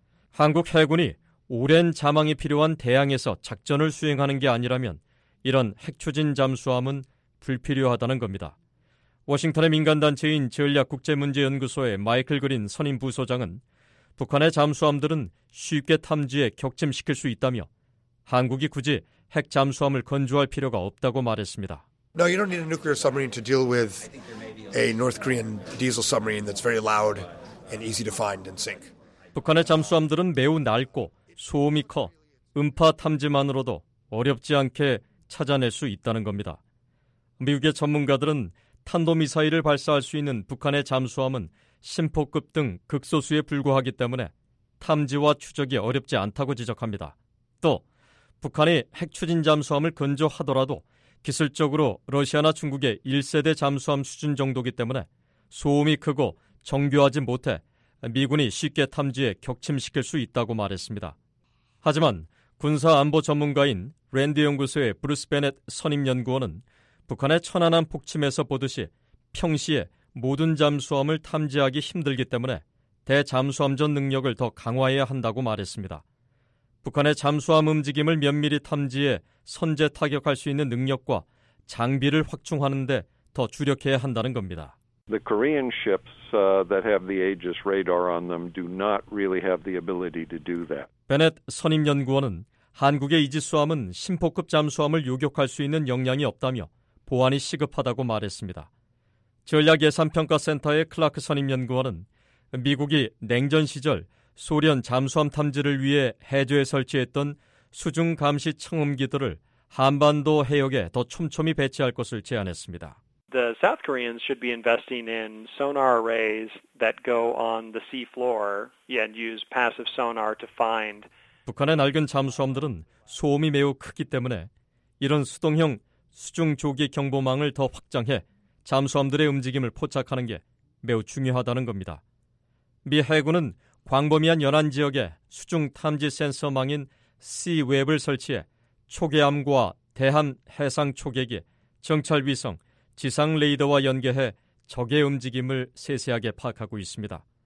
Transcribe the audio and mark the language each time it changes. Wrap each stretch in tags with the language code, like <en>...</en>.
<ko>한국 해군이 오랜 잠항이 필요한 대양에서 작전을 수행하는 게 아니라면 이런 핵추진 잠수함은 불필요하다는 겁니다. 워싱턴의 민간단체인 전략국제문제연구소의 마이클 그린 선임 부소장은 북한의 잠수함들은 쉽게 탐지에 격침시킬 수 있다며 한국이 굳이 핵 잠수함을 건조할 필요가 없다고 말했습니다.</ko> <en>No, you don't need a nuclear submarine to deal with a North Korean diesel submarine that's very loud and easy to find and sink.</en> <ko>북한의 잠수함들은 매우 낡고 소음이 커 음파 탐지만으로도 어렵지 않게 찾아낼 수 있다는 겁니다. 미국의 전문가들은 탄도미사일을 발사할 수 있는 북한의 잠수함은 심포급 등 극소수에 불과하기 때문에 탐지와 추적이 어렵지 않다고 지적합니다. 또 북한이 핵 추진 잠수함을 건조하더라도 기술적으로 러시아나 중국의 1세대 잠수함 수준 정도이기 때문에 소음이 크고 정교하지 못해 미군이 쉽게 탐지에 격침시킬 수 있다고 말했습니다. 하지만 군사 안보 전문가인 랜드 연구소의 브루스 베넷 선임 연구원은 북한의 천안함 폭침에서 보듯이 평시에 모든 잠수함을 탐지하기 힘들기 때문에 대잠수함전 능력을 더 강화해야 한다고 말했습니다. 북한의 잠수함 움직임을 면밀히 탐지해 선제 타격할 수 있는 능력과 장비를 확충하는 데 더 주력해야 한다는 겁니다.</ko> <en>The Korean ships that have the Aegis radar on them do not really have the ability to do that.</en> <ko>베넷 선임 연구원은 한국의 이지스함은 심포급 잠수함을 요격할 수 있는 역량이 없다며 보안이 시급하다고 말했습니다. 전략 예산 평가 센터의 클라크 선임 연구원은 미국이 냉전 시절 소련 잠수함 탐지를 위해 해저에 설치했던 수중 감시 청음기들을 한반도 해역에 더 촘촘히 배치할 것을 제안했습니다.</ko> <en>The South Koreans should be investing in sonar arrays that go on the sea floor and use passive sonar to find.</en> <ko>북한의 낡은 잠수함들은 소음이 매우 크기 때문에 이런 수동형 수중 조기 경보망을 더 확장해 잠수함들의 움직임을 포착하는 게 매우 중요하다는 겁니다. 미 해군은 광범위한 연안 지역에 수중 탐지 센서망인 C-WAVE을 설치해 초계함과 대함 해상 초계기, 정찰 위성, 지상 레이더와 연계해 적의 움직임을 세세하게 파악하고 있습니다.</ko>